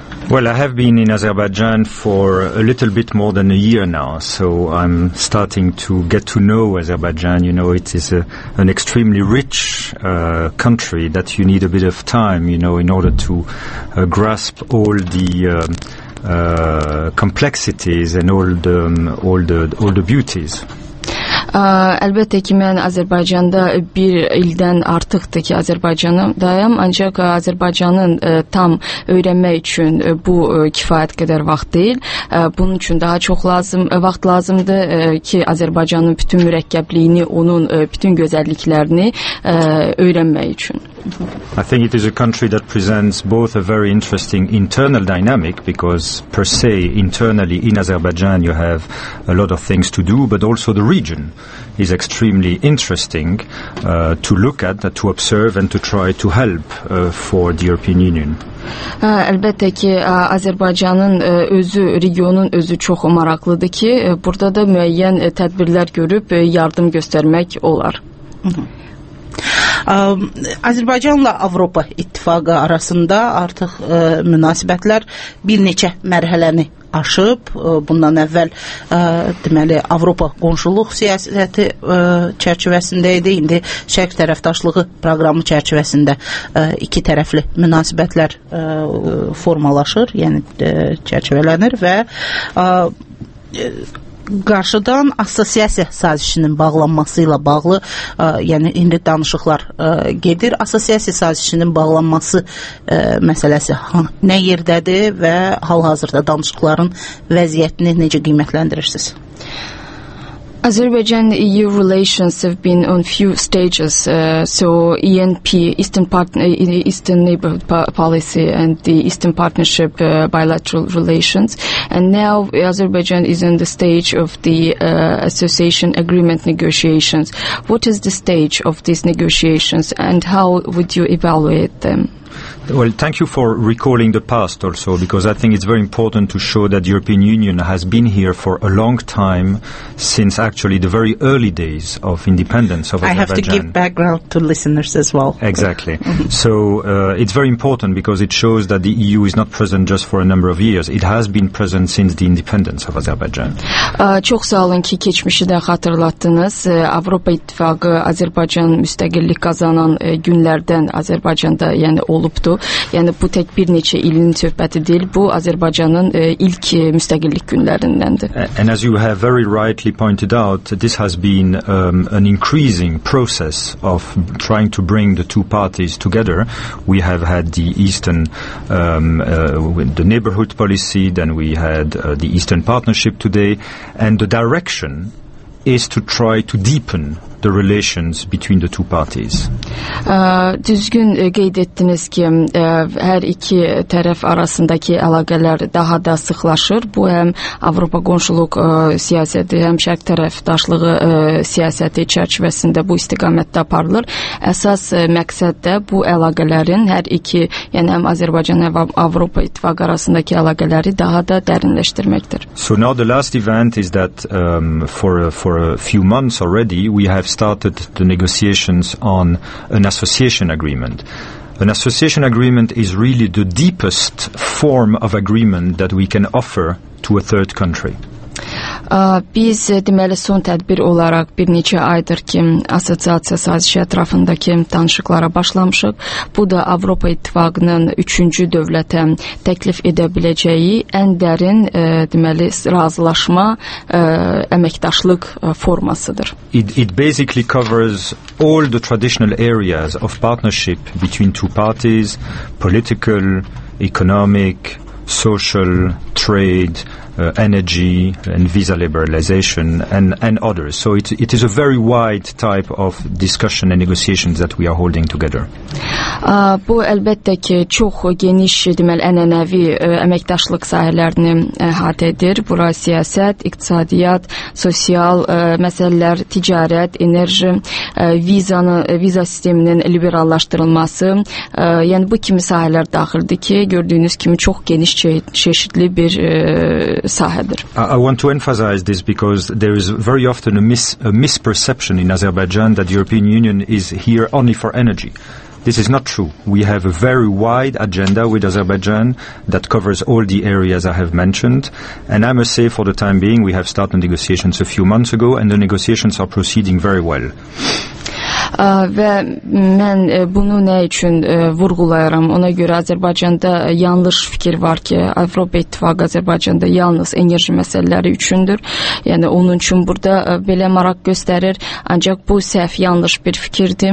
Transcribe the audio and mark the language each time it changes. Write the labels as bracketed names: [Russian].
[English] Well, I have been in Azerbaijan for a little bit more than a year now, so I'm starting to get to know Azerbaijan. You know, it is an extremely rich country that you need a bit of time, you know, in order to grasp all the complexities and all the beauties. [Azerbaijani] Əlbəttə ki, mən Azərbaycanda bir ildən artıqdır ki, Azərbaycandayam, ancaq Azərbaycanın tam öyrənmək üçün bu kifayət qədər vaxt deyil. Bunun üçün daha çox vaxt lazımdır ki, Azərbaycanın bütün mürəkkəbliyini, onun bütün gözəlliklərini öyrənmək üçün. [English] I think it is a country that presents both a very interesting internal dynamic, because per se internally in Azerbaijan you have a lot of things to do, but also the region is extremely interesting to look at, to observe and to try to help for the European Union. [Azerbaijani] Əlbəttə ki, Azərbaycanın özü, regionun özü çox maraqlıdır ki, burada da müəyyən tədbirlər görüb yardım göstərmək olar. Azərbaycanla Avropa İttifaqı arasında artıq münasibətlər bir neçə mərhələni aşıb. Bundan əvvəl deməli Avropa qonşuluq siyasəti çərçivəsində idi. İndi Şərq tərəfdaşlığı proqramı çərçivəsində iki tərəfli münasibətlər formalaşır, yəni çərçivələnir və qarşıdan assosiasiya sazişinin bağlanması ilə bağlı, yəni indi danışıqlar gedir. Assosiasiya sazişinin bağlanması məsələsi nə yerdədir və hal-hazırda danışıqların vəziyyətini necə qiymətləndirirsiniz? [English] Azerbaijan-EU relations have been on few stages, so ENP, Eastern Neighborhood Policy, and the Eastern Partnership bilateral relations, and now Azerbaijan is in the stage of the association agreement negotiations. What is the stage of these negotiations, and how would you evaluate them? Well, thank you for recalling the past also, because I think it's very important to show that the European Union has been here for a long time, since actually the very early days of independence of Azerbaijan. I have to give background to listeners as well. Exactly. So it's very important because it shows that the EU is not present just for a number of years. It has been present since the independence of Azerbaijan. [Azerbaijani] Çox sağ olun ki, keçmişi də xatırlatdınız. Avropa İttifaqı Azərbaycan müstəqillik qazanan günlərdən Azərbaycanda yəni olub. Yəni, bu tək bir neçə ilin söhbəti deyil, bu Azərbaycanın ilk müstəqillik günlərindəndir. [English] And as you have very rightly pointed out, this has been an increasing process of trying to bring the two parties together. We have had the Eastern the neighborhood policy, then we had the Eastern Partnership today, and the direction is to try to deepen the relations between the two parties? [Azerbaijani] Düzgün qeyd etdiniz ki, hər iki tərəf arasındakı əlaqələr daha da sıxlaşır. Bu həm Avropa qonşuluq siyasəti, həm şərq tərəfdaşlığı siyasəti çərçivəsində bu istiqamətdə aparılır. Əsas məqsəd də bu əlaqələrin hər iki, yəni həm Azərbaycan və Avropa İttifaqı arasındakı əlaqələri daha da dərinləşdirməkdir. [English] So now the last event is that for a few months already we have started the negotiations on an association agreement. An association agreement is really the deepest form of agreement that we can offer to a third country. [Azerbaijani] Biz deməli son tədbir olaraq bir neçə aydır ki, assosiasiya sazişi ətrafındakı danışıqlara başlamışıq. Bu da Avropa İttifaqının üçüncü dövlətə təklif edə biləcəyi ən dərin deməli razılaşma əməkdaşlıq formasıdır. [English] It basically covers all the traditional areas of partnership between two parties: political, economic, social, trade, energy and visa liberalization and others. So it is a very wide type of discussion and negotiations that we are holding together. [Azerbaijani] Bu əlbəttə ki çox geniş deməli ənənəvi əməkdaşlıq sahələrini əhatə edir. Bura siyasət, iqtisadiyyat, sosial məsələlər, ticarət, enerji, viza sisteminin liberallaşdırılması, yəni bu kimi sahələr daxildir ki, gördüyünüz kimi çox geniş çeşidli bir sahədir. [English] I want to emphasize this because there is very often a misperception in Azerbaijan that the European Union is here only for energy. This is not true. We have a very wide agenda with Azerbaijan that covers all the areas I have mentioned. And I must say, for the time being, we have started negotiations a few months ago, and the negotiations are proceeding very well. [Azerbaijani] Və mən bunu nə üçün vurğulayıram? Ona görə Azərbaycanda yanlış fikir var ki, Avropa İttifaqı Azərbaycanda yalnız enerji məsələləri üçündür. Yəni, onun üçün burada belə maraq göstərir. Ancaq bu səhv yanlış bir fikirdir.